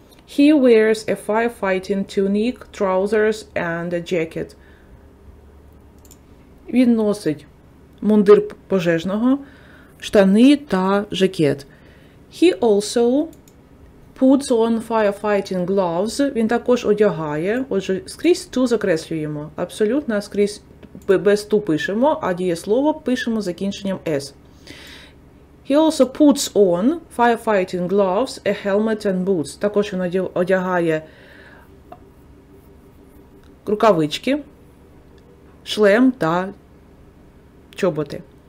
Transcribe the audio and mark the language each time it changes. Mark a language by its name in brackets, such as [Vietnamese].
[English] He wears a firefighting tunic, trousers and a jacket. [Ukrainian] Він носить мундир пожежного, штани та жакет. [English] He also puts on firefighting gloves. [Ukrainian] Він також одягає. Отже, скрізь ту закреслюємо. Абсолютно скрізь без ту пишемо, а дієслово пишемо закінченням s. [English] He also puts on firefighting gloves, a helmet and boots. [Ukrainian] Також він одягає рукавички, шлем та чоботи.